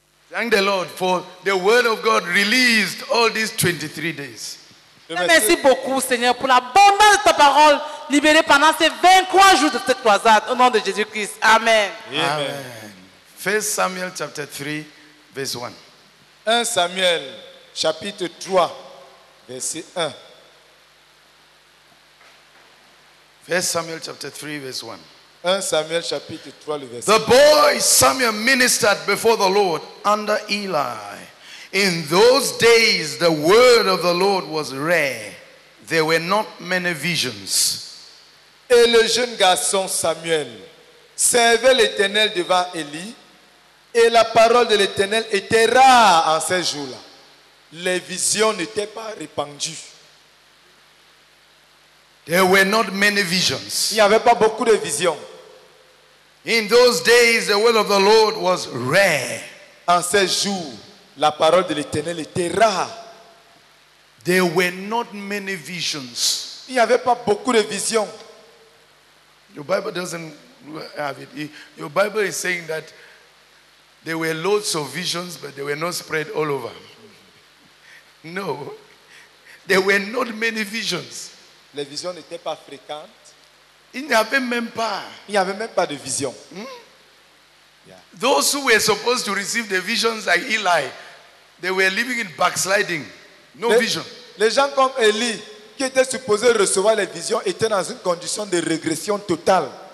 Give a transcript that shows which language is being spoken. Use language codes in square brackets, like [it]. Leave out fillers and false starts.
[en] Thank the Lord for the word of God released all these 23 days. [fr] Merci beaucoup, Seigneur, pour l'abondance de ta parole libérée pendant ces 23 jours de cette croisade. Au nom de Jésus-Christ. Amen. Amen. 1 Samuel chapitre 3, verset 1. 1 Samuel chapitre 3, verset 1. [en] 1 Samuel chapter 3 verse 1. [fr] 1 Samuel chapitre 3 [en] verse [fr] 1. [en] The boy Samuel ministered before the Lord under Eli. In those days the word of the Lord was rare. There were not many visions. [fr] Et le jeune garçon Samuel servait l'Éternel devant Eli, et la parole de l'Éternel était rare en ces jours-là. Les visions n'étaient pas répandues. [en] There were not many visions. [fr] Il n'y avait pas beaucoup de visions. [en] In those days, the word of the Lord was rare. [fr] En ces jours, la parole de l'Éternel était rare. [en] There were not many visions. [fr] Il n'y avait pas beaucoup de visions. [en] Your Bible doesn't have it. Your Bible is saying that there were loads of visions, but they were not spread all over. No, there were not many visions. [fr] Les visions n'étaient pas fréquentes. Il n'y avait même pas. Il n'y avait même pas de vision. [en] Those who were supposed to receive the visions like Eli, they were living in backsliding. No [fr] les, vision. Les gens comme Eli, qui étaient supposés recevoir les visions, étaient dans une condition de régression totale.